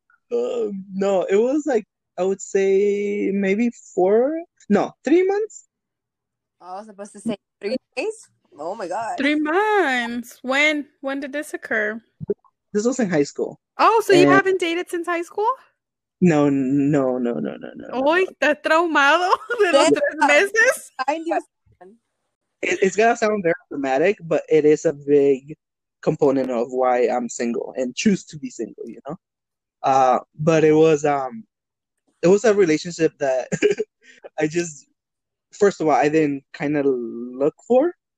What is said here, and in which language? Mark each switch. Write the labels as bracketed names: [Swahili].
[English] No, it was like, I would say maybe 3 months. I was supposed to say 3 days? Oh my God. 3 months. When did this occur? This was in high school. Oh, so you haven't dated since high school? No. [Spanish] Oy, está traumado de los 3 meses? [English] It's going to sound very dramatic, but it is a big component of why I'm single and choose to be single, you know? But it was a relationship that I just, first of all, I didn't kind of look for.